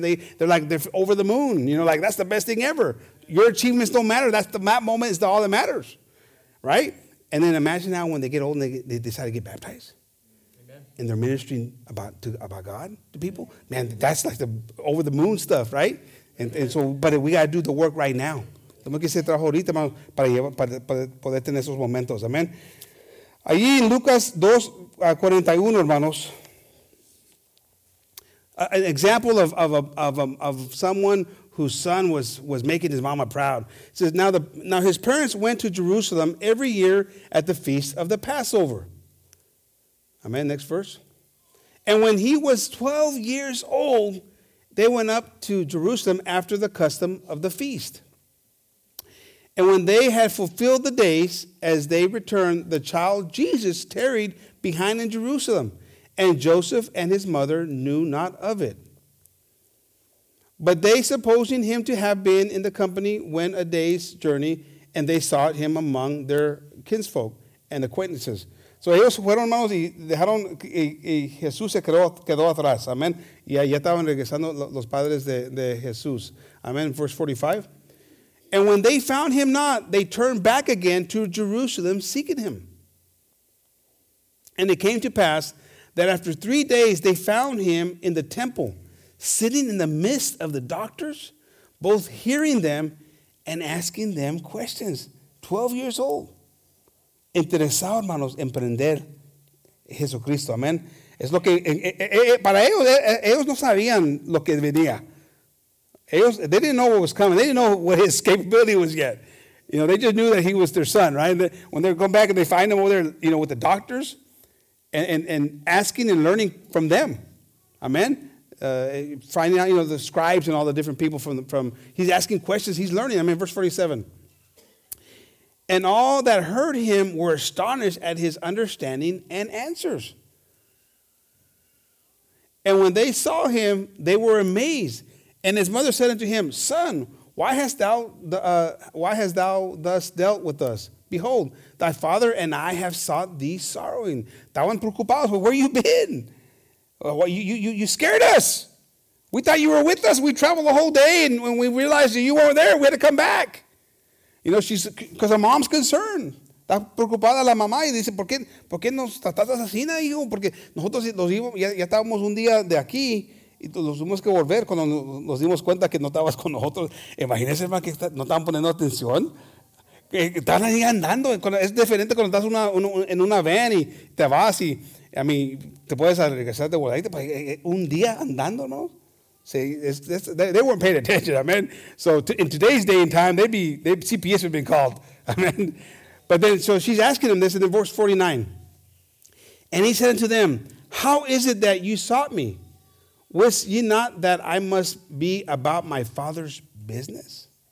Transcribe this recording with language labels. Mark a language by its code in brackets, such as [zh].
[en] They're like, they're over the moon. You know, like, that's the best thing ever. Your achievements don't matter. That moment is all that matters. Right? And then imagine now when they get old and they decide to get baptized. And they're ministering about God to people, man. That's like the over the moon stuff, right? And so, but we gotta do the work right now. [es] Tenemos que hacer trabajo ahorita para poder tener esos momentos. [en] Amen. [es] Allí en Lucas 2:41, hermanos, [en] an example of someone whose son was making his mama proud. It says now his parents went to Jerusalem every year at the feast of the Passover. Amen. Next verse. And when he was 12 years old, they went up to Jerusalem after the custom of the feast. And when they had fulfilled the days, as they returned, the child Jesus tarried behind in Jerusalem, and Joseph and his mother knew not of it. But they, supposing him to have been in the company, went a day's journey, and they sought him among their kinsfolk and acquaintances. [es] So ellos fueron, hermanos, y dejaron, y Jesús se quedó atrás, amén. Y ahí estaban regresando los padres de Jesús, amén, verse 45. [en] And when they found him not, they turned back again to Jerusalem, seeking him. And it came to pass that after 3 days they found him in the temple, sitting in the midst of the doctors, both hearing them and asking them questions, 12 years old. [es] Interesado, hermanos, en prender Jesucristo, amén. Es lo que, para ellos no sabían lo que venía. [en] They didn't know what was coming. They didn't know what his capability was yet. You know, they just knew that he was their son, right? When they come back and they find him over there, you know, with the doctors and asking and learning from them, amen. Finding out, you know, the scribes and all the different people from, he's asking questions, he's learning. I mean, verse 47. And all that heard him were astonished at his understanding and answers. And when they saw him, they were amazed. And his mother said unto him, Son, why hast thou thus dealt with us? Behold, thy father and I have sought thee sorrowing. Thou and preocupados, but where you been? You scared us. We thought you were with us. We traveled the whole day, and when we realized that you weren't there, we had to come back. You know, she's, because her mom's concerned. [es] Está preocupada la mamá y dice, ¿por qué nos trataste así, hijo? Porque nosotros los íbamos, ya estábamos un día de aquí y nos tuvimos que volver cuando nos dimos cuenta que no estabas con nosotros. Imagínese, hermano, que no estaban poniendo atención. Que estaban ahí andando. Es diferente cuando estás en una van y te vas y, a mí, te puedes regresar de voladita. Un día andando, ¿no? [en] See, they weren't paying attention, amen. So in today's day and time, CPS would have been called, amen. But then, so she's asking him this in verse 49. And he said unto them, how is it that you sought me? Wist ye not that I must be about my father's business?